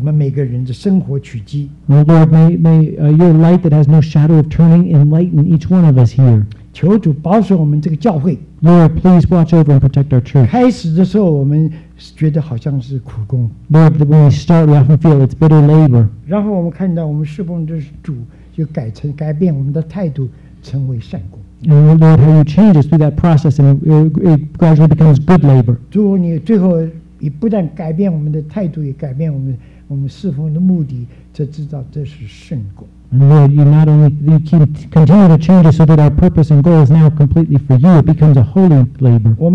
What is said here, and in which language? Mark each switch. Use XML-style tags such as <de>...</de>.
<zh>求你，这是用你在高天之上，你的没有转动影儿的光来照射我们每个人的生活取机。Lord,</zh> <en>may your light that has no shadow of turning enlighten each one of us here.</en> <zh>求主保守我们这个教会。</zh> <en>Lord, please watch over and protect our church.</en> <zh>开始的时候，我们觉得好像是苦工。</zh> <en>Lord, when we start, we often feel it's bitter labor.</en> <zh>然后我们看到我们侍奉的主，就改成改变我们的态度，成为善工。</zh> <en>And Lord, how you change us through that process, and it gradually becomes good labor.</en> <zh>主，你最后也不但改变我们的态度，也改变我们侍奉的目的，这知道这是善工。</zh> <en>And Lord, you not only you keep continue to change it so that our purpose and goal is now completely for you, it becomes a holy labor.</en>